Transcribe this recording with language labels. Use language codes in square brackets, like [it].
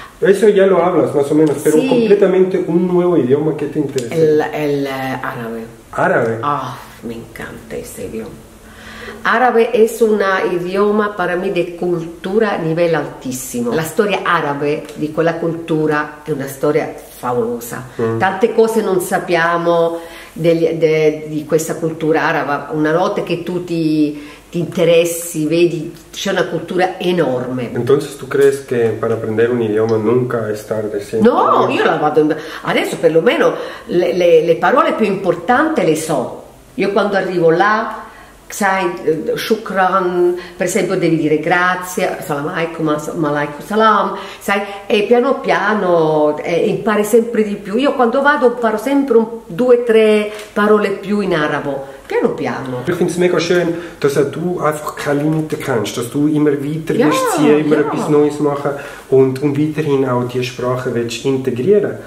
[es] Eso ya lo hablas, más o menos, pero sí. Completamente un nuevo idioma que te interesaría. El árabe. ¿Árabe? Oh, me encanta ese idioma. Árabe es un idioma para mí de cultura a nivel altísimo. [it] La historia árabe de quella cultura es una historia favolosa. Tante cose non sappiamo di questa cultura araba. Una volta che tu ti interessi, vedi, c'è una cultura enorme. [es] Entonces tu crees que para aprender un idioma nunca es tarde? [it] No, io la vado in... Adesso perlomeno le parole più importanti le so. Io quando arrivo là, sai, shukran, per esempio devi dire grazie, [ar] salam alaikum, malaikum salam, [it] sai, e piano piano impari sempre di più. Io quando vado imparo sempre due, tre parole più in arabo, piano piano. [de] Ich finde es mega schön, dass du einfach keine Limite kennst, dass du immer weiter wirst ziehen, immer etwas Neues machen und weiterhin auch die Sprache willst integrieren.